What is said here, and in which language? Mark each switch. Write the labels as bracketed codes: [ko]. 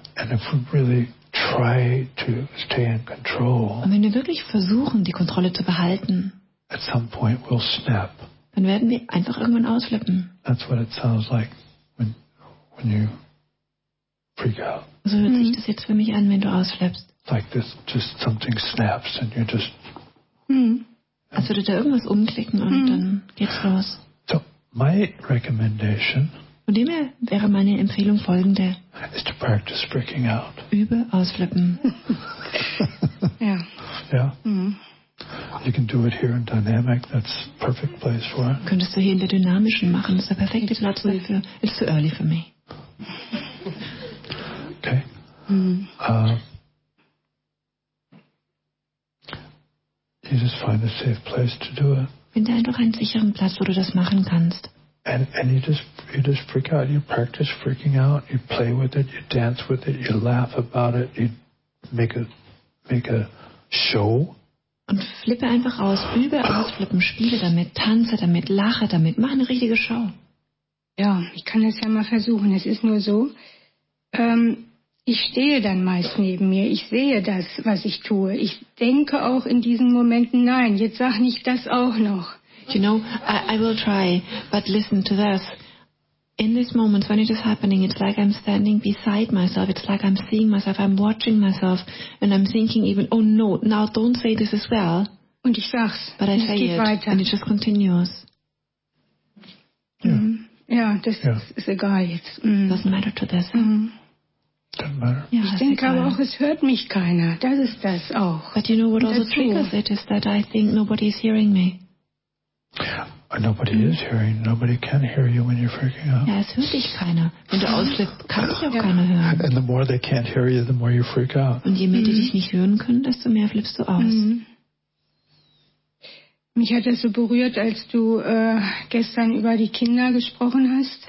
[en] And if we really try to stay in control, [de] und wenn wir wirklich versuchen, die Kontrolle zu behalten, [en] at some point we'll snap. [de] Dann werden wir einfach irgendwann ausflippen. [en] That's what it sounds like. When you freak out. [de] So hört sich das jetzt für mich an, wenn du ausflippst. [en] Like this, just something snaps and you just. [de] Als würde da irgendwas umklicken und dann geht's los. [en] So my recommendation. [de] Von dem her wäre meine Empfehlung folgende. [en] Is to practice freaking out. [de] Übe ausflippen. Ja. [en] Ja. Yeah. You can do it here in Dynamic. That's perfect place for it. [de] Könntest du hier in der Dynamischen machen? Das ist der perfekte Platz dafür. [en] It's too early for me. Okay. You just find a safe place to do it. [de] Finde einfach einen sicheren Platz, wo du das machen kannst. [en] And you just freak out. You practice freaking out. You play with it. You dance with it. You laugh about it. You make a show. [de] Und flippe einfach aus, übe ausflippen, spiele damit, tanze damit, lache damit, mach eine richtige Show. Ja, ich kann das ja mal versuchen. Es ist nur so, ich stehe dann meist neben mir. Ich sehe das, was ich tue. Ich denke auch in diesen Momenten, nein, jetzt sag nicht das auch noch. [en] You know, I will try, but listen to this. In this moment, when it is happening, it's like I'm standing beside myself. It's like I'm seeing myself, I'm watching myself, and I'm thinking even, oh no, now don't say this as well. [de] Und ich sag's. [en] But I say it, [de] weiter. [en] And it just continues. Yeah, this is a guy. It doesn't matter to this. Doesn't matter. [de] Ja, ich denke aber auch, es hört mich keiner. Das ist das auch. [en] But you know what also triggers it is that I think nobody is hearing me. Nobody is hearing. Nobody can hear you when you're freaking out. [de] Ja, es hört dich keiner. Wenn du ausflippst, kann dich auch keiner hören. [en] And the more they can't hear you, the more you freak out. [de] Und je mehr die dich nicht hören können, desto mehr flippst du aus. Mich hat das so berührt, als du gestern über die Kinder gesprochen hast.